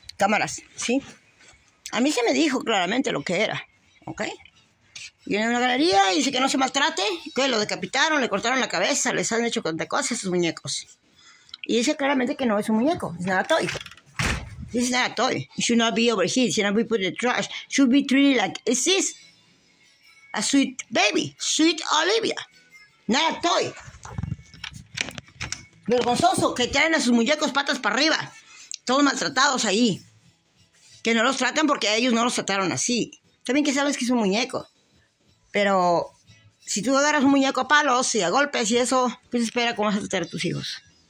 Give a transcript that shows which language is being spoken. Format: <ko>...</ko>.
<es>Cámaras, ¿sí? A mí se me dijo claramente lo que era, ¿ok? Y en una galería dice que no se maltrate, que lo decapitaron, le cortaron la cabeza, les han hecho tantas cosas a sus muñecos. Y dice claramente que no es un muñeco, es nada toy.</es> <en>This is not a toy. It should not be over here. It should not be put in the trash. It should be treated like it is a sweet baby. Sweet Olivia. Not a toy.</en> <es>Vergonzoso que traen a sus muñecos patas para arriba. Todos maltratados ahí. Que no los tratan porque a ellos no los trataron así. También que sabes que es un muñeco. Pero si tú agarras un muñeco a palos y a golpes y eso, pues espera cómo vas a tratar a tus hijos.</es>